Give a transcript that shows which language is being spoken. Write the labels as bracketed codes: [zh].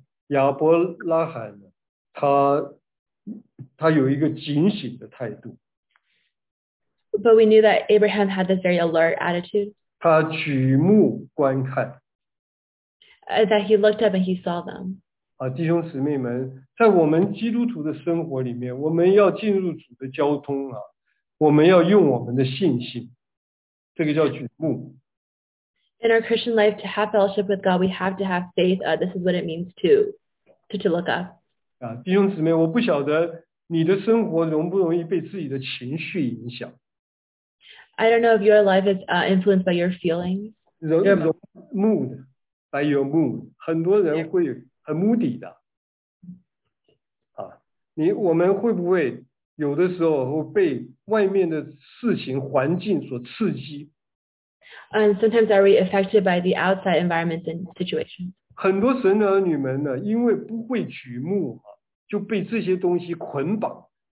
[zh] 但是我们看见了亚伯拉罕，他。他有一个警醒的态度。 [en] But we knew that Abraham had this very alert attitude. [zh] 他举目观看。 [en] That he looked up and he saw them. [zh] 弟兄姊妹们，在我们基督徒的生活里面，我们要进入主的交通啊，我们要用我们的信心，这个叫举目。 [en] In our Christian life, to have fellowship with God, we have to have faith. This is what it means to look up. [zh] 弟兄姊妹，我不晓得。你的生活容不容易被自己的情绪影响？ [en] I don't know if your life is influenced by your feelings. Mood, by your mood. [zh] 很多人会很 moody的。我们会不会有的时候会被外面的事情环境所刺激？ [en] And sometimes are we affected by the outside environments and situations? [zh] 很多神的儿女们呢，因为不会举目，就被这些东西捆绑。